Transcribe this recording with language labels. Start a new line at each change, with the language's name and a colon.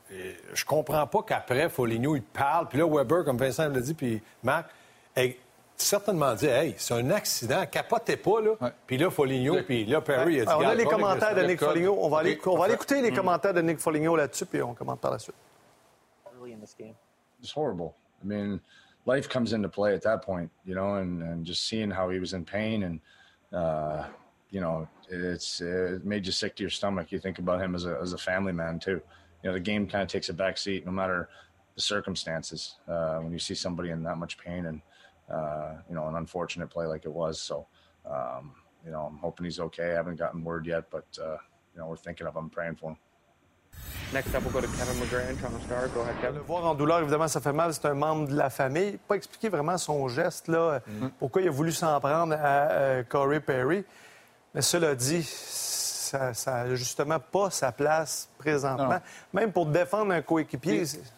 French: Et je comprends pas qu'après, Foligno, il parle. Puis là, Weber, comme Vincent l'a dit, puis Marc... certainement dit, hey, c'est un accident, capotez pas, là. Puis là, Foligno, puis là, Perry a dit. Alors, on a les commentaires de Nick Foligno. On va aller, écouter les commentaires de Nick Foligno là-dessus, puis on commente par la suite.
English: It's horrible. I mean, life comes into play at that point, you know, and just seeing how he was in pain, and, you know, it made you sick to your stomach. You think about him as a family man, too. You know, the game kind of takes a back seat, no matter the circumstances, when you see somebody in that much pain. And, you know, an unfortunate play like it was. So, you know, I'm hoping he's okay. I haven't gotten word yet, but, you know, we're thinking of him, praying for him. Next up, we'll go to Kevin McGrand, Toronto Star. Go ahead, Kevin.
French: Le voir en douleur, évidemment, ça fait mal. C'est un membre de la famille. Pas expliquer vraiment son geste, là, pourquoi il a voulu s'en prendre à Corey Perry. Mais cela dit, ça n'a justement pas sa place présentement. Non. Même pour défendre un coéquipier... Oui.